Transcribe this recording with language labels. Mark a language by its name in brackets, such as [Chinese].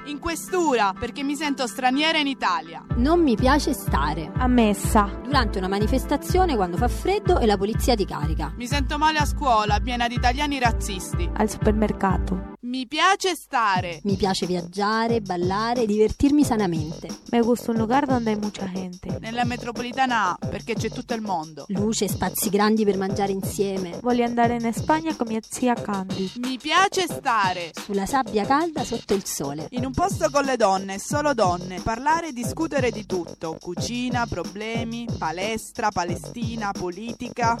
[Italian] in questura perché mi sento straniera in Italia. Non mi piace stare a messa, durante una manifestazione quando fa freddo e la polizia ti carica. Mi sento male a scuola, piena di italiani razzisti, al supermercato. Mi piace stare. Mi piace viaggiare, ballare, divertirmi sanamente. [Spanish] Me gusta un lugar donde hay mucha gente. [Italian] Nella metropolitana, perché c'è tutto il mondo. Luce, spazi grandi per mangiare insieme. Voglio andare in Spagna con mia zia Candy. Mi piace stare. Sulla sabbia calda sotto il sole. In un posto con le donne, solo donne. Parlare e discutere di tutto. Cucina, problemi, palestra, Palestina, politica.